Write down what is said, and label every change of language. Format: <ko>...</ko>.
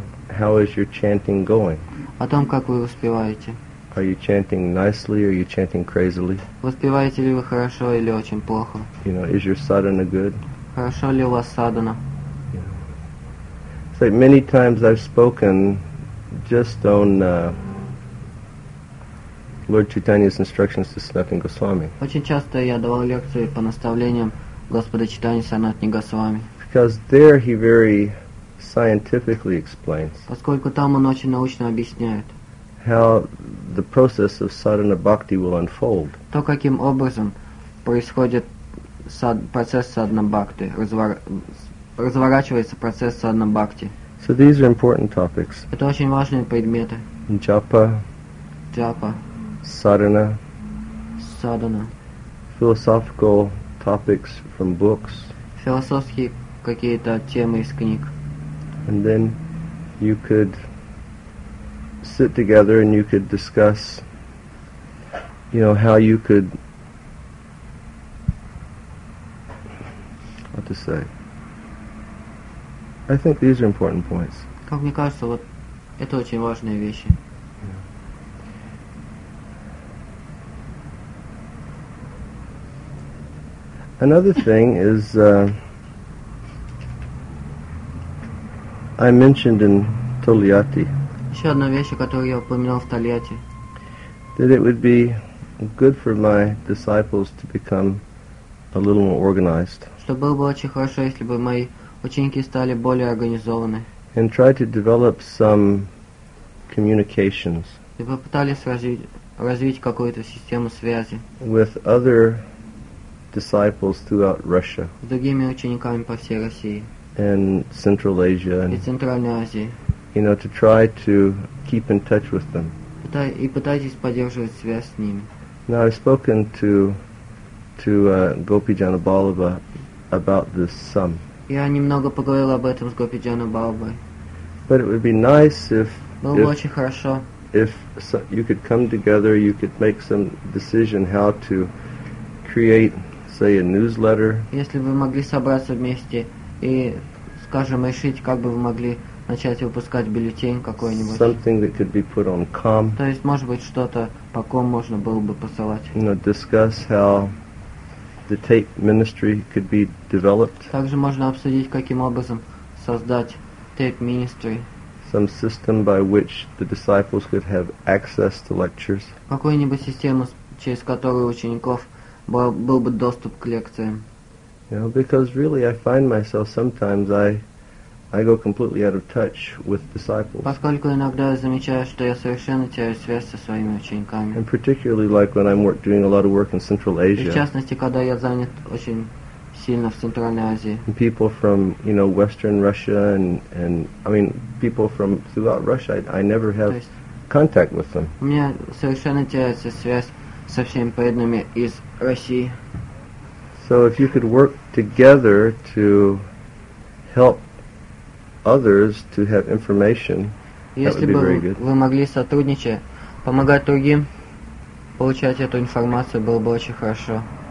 <en>How is your chanting going?</en> <ru>О том, как вы воспеваете.</ru> <en>Are you chanting nicely or are you chanting crazily?</en> <ru>Воспеваете ли вы хорошо или очень плохо?</ru> <en>You know, is your sadhana good?</en> <ru>Хорошо ли у вас садхана?</ru> <en>So many times I've spoken just on Lord Chaitanya's instructions to Sanatana Goswami.</en> <ru>Очень часто я давал лекции по наставлениям Господа Чайтаньи Санатани Госвами.</ru> <en>Because there he very scientifically explains.</en> <ru>Поскольку там он очень научно объясняет.</ru> <en>How the process of sadhana bhakti will unfold.</en> <ru>То каким образом происходит процесс sadhana bhakti, разворачивается процесс sadhana bhakti.</ru> <en>So these are important topics.</en> <ru>Это очень важные предметы.</ru> <en>Japa. Sadhana. Philosophical topics from books.</en> <ru>Философские какие-то темы из книг.</ru> <en>And then you could sit together and you could discuss, you know, how you could, what to say. I think these are important points.</en> <ru>Как мне кажется, вот это очень важные вещи.</ru> <en>Another thing is, I mentioned in Toliati.</en> <ru>Еще одна вещь, которую я упомянул в Тольятти.</ru> <en>That it would be good for my disciples to become a little more organized.</en> <ru>Что было бы очень хорошо, если бы мои ученики стали более организованы.</ru> <en>And try to develop some communications.</en> <ru>И попытались развить какую-то систему связи.</ru> <en>With other disciples throughout Russia.</en> <ru>С другими учениками по всей России.</ru> <en>And Central Asia and</en> <ru>и Центральной Азии.</ru> <en>You know, to try to keep in touch with them.</en> <ru>И пытайтесь поддерживать связь с ними.</ru> <en>Now I've spoken to Gopi Janabalava about this some.</en> <ru>Я немного поговорил об этом с Гопи Джанабалабой.</ru> <en>But it would be nice if</en> <ru>было бы очень хорошо.</ru> <en>If you could come together, you could make some decision how to create, say, a newsletter.</en> <ru>Если вы могли собраться вместе и, скажем, решить, как бы вы могли начать выпускать бюллетень какой-нибудь.</ru> <en>Something that could be put on com.</en> <ru>То есть, может быть, что-то по ком можно было бы посылать.</ru> <en>You know, discuss how the tape ministry could be developed.</en> <ru>Также можно обсудить, каким образом создать</ru> <en>tape ministry. Some system by which the disciples could have access to lectures.</en> <ru>Какую-нибудь систему, через которую учеников был бы доступ к лекциям.</ru> <en>You know, because really I find myself sometimes I go completely out of touch with disciples.</en> <ru>Поскольку иногда я замечаю, что я совершенно теряю связь со своими учениками.</ru> <en>And particularly like when I'm doing a lot of work in Central Asia.</en> <ru>И в частности, когда я занят очень сильно в Центральной Азии.</ru> <en>And people from, you know, Western Russia and I mean people from throughout Russia, I never have contact with them.</en> <ru>У меня совершенно теряется связь со всеми преданными из России.</ru> <en>So if you could work together to help others to have information,</en> <ru>если</ru> <en>that would be very good.</en> <ru>Вы могли сотрудничать, помогать другим получать эту информацию, было бы очень хорошо.</ru>